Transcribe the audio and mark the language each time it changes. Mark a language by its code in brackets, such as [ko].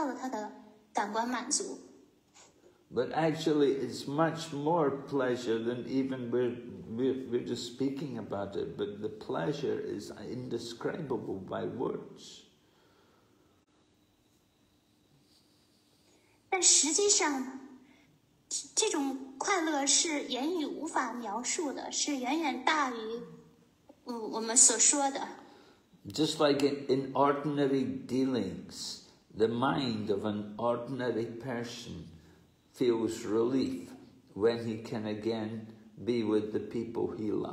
[zh] 这种狂，那份狂喜可以比喻为，当一个人一开始不被允许得到感官满足，之后呢，又被允许得到了他的感官满足。 [en] But actually, it's much more pleasure than even we're just speaking about it. But the pleasure is indescribable by words. [zh] 但实际上，这种快乐是言语无法描述的，是远远大于我们所说的。 [en] Just like in ordinary dealings, the mind of an ordinary person feels relief when he can again be with the people he